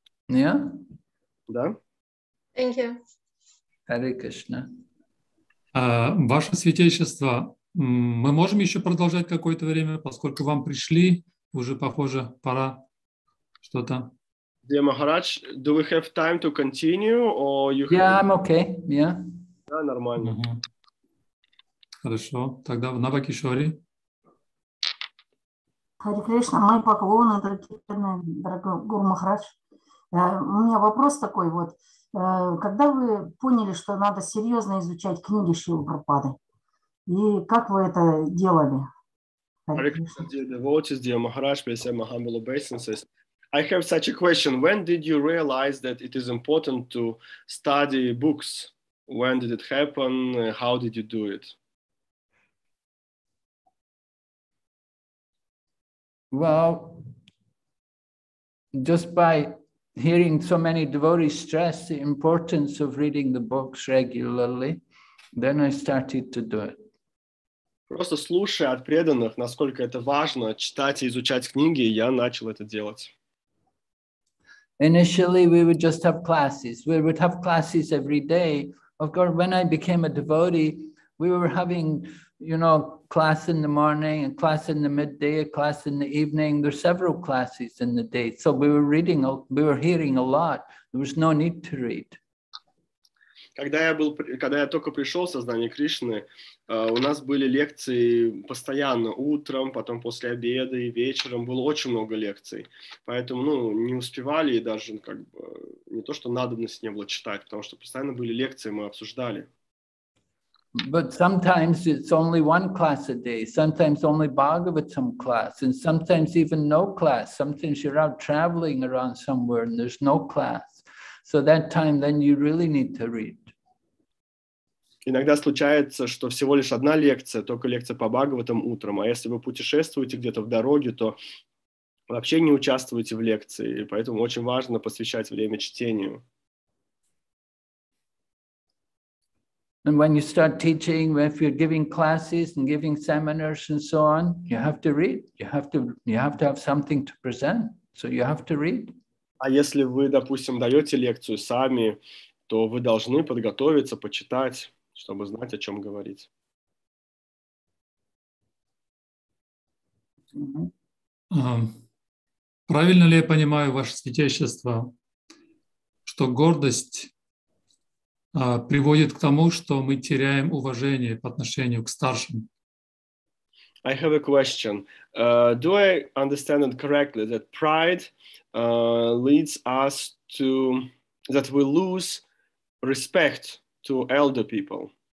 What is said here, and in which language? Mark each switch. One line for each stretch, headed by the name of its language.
English: Yeah?
Russian: Да?
English: Thank you. Hare Krishna.
Russian: Ваше святейшество, мы можем еще продолжать какое-то время, поскольку вам пришли, уже, похоже, пора что-то.
English: Dear Maharaj, do we have time to continue, or you have... Yeah, I'm okay, yeah.
Russian: Да, нормально. Uh-huh. Хорошо, тогда в Навакишори. Харе Кришна, мой поклон, дорогой Гуру Махарадж. У меня вопрос такой вот. Когда вы поняли, что надо серьезно изучать книги Шрилы Прабхупады? И как вы это делали?
English: Hare Krishna, dear devotees, dear Maharaj, please, Mahambala Basinses. I have such a question. When did you realize that it is important to study books? When did it happen? How did you do it? Well, just by hearing so many devotees stress the importance of reading the books regularly, then I started to do it.
Russian: Просто слушая от преданных, насколько это важно читать и изучать книги, я начал это делать.
English: Initially, we would just have classes. We would have classes every day. Of course, when I became a devotee, we were having, you know, class in the morning, a class in the midday, a class in the evening. There's several classes in the day. So we were hearing a lot. There was no need to read.
Russian: Когда я только пришел в сознание Кришны, у нас были лекции постоянно, утром, потом после обеда и вечером, было очень много лекций. Поэтому, ну, не успевали, и даже, как бы, не то, что надобности не было читать, потому что постоянно были лекции, мы обсуждали.
English: But sometimes it's only one class a day, sometimes only Bhagavatam class, and sometimes even no class. Sometimes you're out traveling around somewhere and there's no class. So that time then you really need to read.
Russian: Иногда случается, что всего лишь одна лекция, только лекция по Бхагаватам утром. А если вы путешествуете где-то в дороге, то вообще не участвуете в лекции. И поэтому очень важно посвящать время чтению.
English: And when you start teaching, if you're giving classes and giving seminars and so on, you have to read. You have to have something to present. So you have to read.
Russian: А если вы, допустим, даете лекцию сами, то вы должны подготовиться, почитать, чтобы знать, о чем говорить. Правильно ли я понимаю, Ваше Святейшество, что гордость приводит к тому, что мы теряем уважение по отношению к старшим?
English: I have a question. Do I understand it correctly that pride leads us to, that we lose respect to elder people?